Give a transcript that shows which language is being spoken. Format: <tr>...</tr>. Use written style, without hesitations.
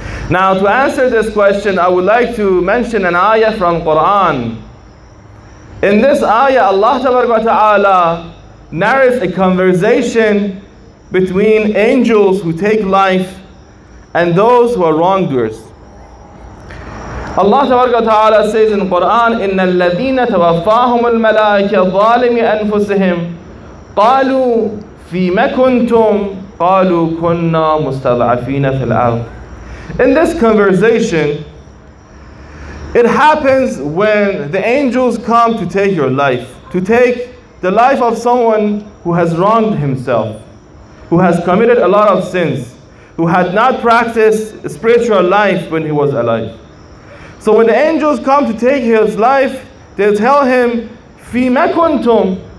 <en>Now, to answer this question, I would like to mention an ayah from Quran. In this ayah, Allah Ta'ala narrates a conversation between angels who take life and those who are wrongdoers. Allah Ta'ala says in Quran,</en> <ar>إِنَّ الَّذِينَ تَوَفَّاهُمُ الْمَلَائِكَ ظَالِمِ أَنفُسِهِمْ قَالُوا فِيمَ كُنْتُمْ قَالُوا كُنَّا مُسْتَضْعَفِينَ فِي الْأَرْضِ.</ar> <en>In this conversation, It happens when the angels come to take your life, to take the life of someone who has wronged himself, who has committed a lot of sins, who had not practiced spiritual life when he was alive. So when the angels come to take his life, they tell him,</en> <ar>"Fima kuntum?"</ar>